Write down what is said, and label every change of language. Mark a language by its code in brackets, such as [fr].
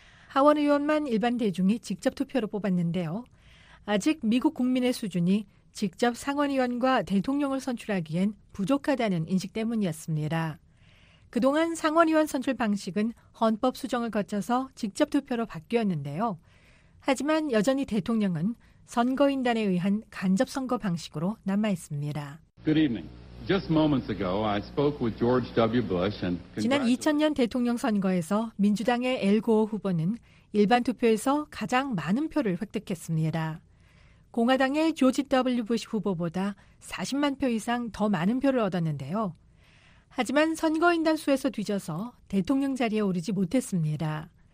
[ko] 하원의원만 일반 대중이 직접 투표로 뽑았는데요. 아직 미국 국민의 수준이 직접 상원의원과 대통령을 선출하기엔 부족하다는 인식 때문이었습니다. 그동안 상원의원 선출 방식은 헌법 수정을 거쳐서 직접 투표로 바뀌었는데요. 하지만 여전히 대통령은 선거인단에 의한 간접선거 방식으로 남아있습니다. [en] Good evening. Just moments ago, I spoke with George W. Bush and [ko] 지난 2000년 대통령 선거에서 민주당의 엘 고어 후보는 일반 투표에서 가장 많은 표를 획득했습니다. 공화당의 조지 W. 부시 후보보다 40만 표 이상 더 많은 표를 얻었는데요. 하지만 선거인단 수에서 뒤져서 대통령 자리에 오르지 못했습니다.